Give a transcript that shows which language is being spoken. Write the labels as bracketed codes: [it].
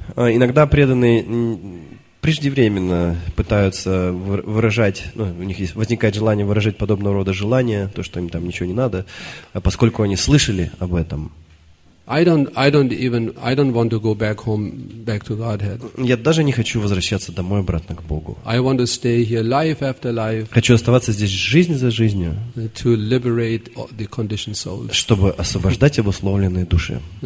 [ru] Иногда преданные преждевременно пытаются выражать, ну, у них возникает желание выражать подобного рода желания, то, что им там ничего не надо, поскольку они слышали об этом. [en] I don't want to go back home, back to Godhead. [ru] Я даже не хочу возвращаться домой обратно к Богу. [en] I want to stay here life after life. [ru] Хочу оставаться здесь жизнь за жизнью. [en] To liberate the conditioned souls. [ru] Чтобы освобождать обусловленные души.